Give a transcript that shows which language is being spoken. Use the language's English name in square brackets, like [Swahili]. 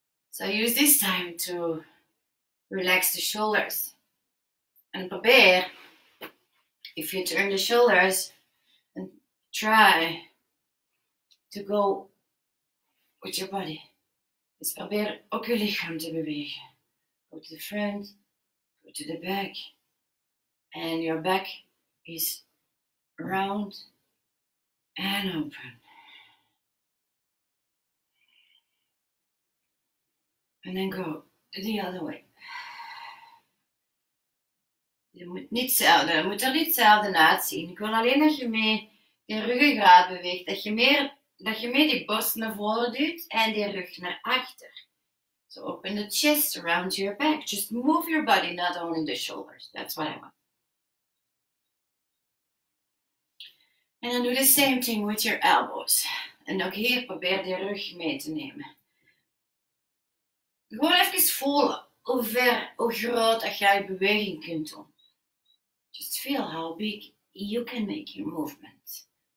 [English] So use this time to relax the shoulders. And [Dutch] probeer, [English] if you turn the shoulders, and try to go with your body. [Dutch] Dus probeer ook je lichaam te bewegen. [English] Go to the front, go to the back. And your back is round and open. And then go the other way. [Dutch] Je moet niet hetzelfde, je moet er niet hetzelfde uitzien. Ik wil alleen dat je mee je ruggengraat beweegt, dat je meer. Dat je mee die borst naar voren duwt en die rug naar achter. [English] So open the chest around your back. Just move your body, not only the shoulders. That's what I want. [Dutch] En dan doe de [English] same thing with your elbows. [Dutch] En ook hier probeer de rug mee te nemen. Gewoon even voelen hoe ver, hoe groot dat jij beweging kunt doen. [English] Just feel how big you can make your movement.